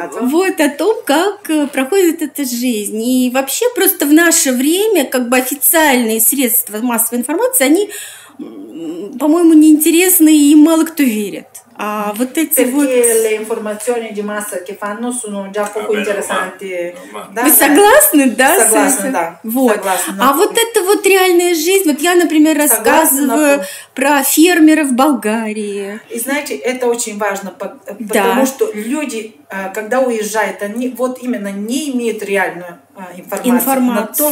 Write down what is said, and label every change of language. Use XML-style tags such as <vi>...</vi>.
<ru>Вот о том, как проходит эта жизнь. И вообще просто в наше время как бы официальные средства массовой информации, они, по-моему, неинтересны и мало кто верит. А вот эти</ru> <it>perché</it> <ru>вот...</ru> <it>le informazioni di massa che fanno sono già poco interessanti.</it> <ru>Вы согласны, да? Согласны, да. Вот. А вот это вот реальная жизнь. Вот я, например, рассказываю про фермеров в Болгарии. И знаете, это очень важно, потому что люди, когда уезжают, они вот именно не имеют реальную информацию.</ru>